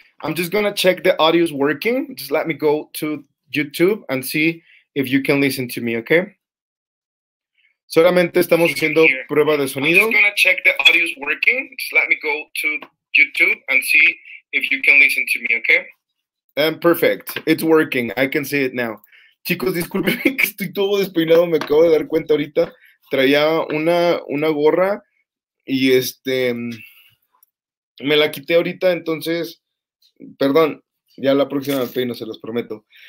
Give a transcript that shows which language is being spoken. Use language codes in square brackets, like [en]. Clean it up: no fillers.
[en] I'm just going to check the audio is working. Just let me go to YouTube and see if you can listen to me, okay? [es] Solamente estamos haciendo prueba de sonido. [en] I'm just going to check the audio is working. Just let me go to YouTube and see if you can listen to me, okay? And perfect. It's working. I can see it now. [es] Chicos, disculpen que estoy todo despeinado. Me acabo de dar cuenta ahorita. Traía una gorra. Y me la quité ahorita, entonces, perdón, ya la próxima me peino, se los prometo.